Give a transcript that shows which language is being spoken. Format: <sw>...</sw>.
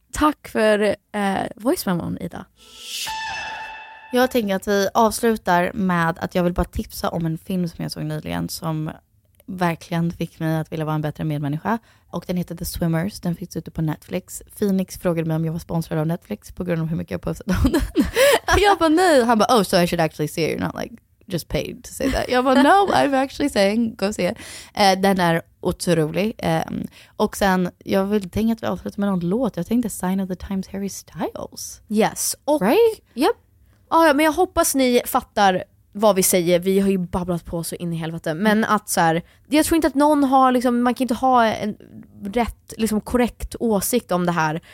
<sv>Tack för voice memon, Ida. Jag tänker att vi avslutar med att jag vill bara tipsa om en film som jag såg nyligen som verkligen fick mig att vilja vara en bättre medmänniska. Och den heter The Swimmers. Den finns ute på Netflix. Phoenix frågade mig om jag var sponsrad av Netflix på grund av hur mycket jag postade om den. Jag bara nej. Han bara,</sv> <en>oh, so I should actually see it. You're not like just paid to say that.</en> <sv>Jag bara,</sv> <en>no, I'm actually saying, go see it.</en> <sv>Den är otrolig. Och sen, jag vill tänka att vi avslutar med någon låt. Jag tänkte Sign of the Times, Harry Styles.</sv> <en>Yes.</en> <sv>Och,</sv> <en>right? Yep.</en> <sv>Ja, men jag hoppas ni fattar vad vi säger. Vi har ju babblat på så in i helvete. Men att så här, jag tror inte att någon har liksom, man kan inte ha en rätt, liksom korrekt åsikt om det här.</sv>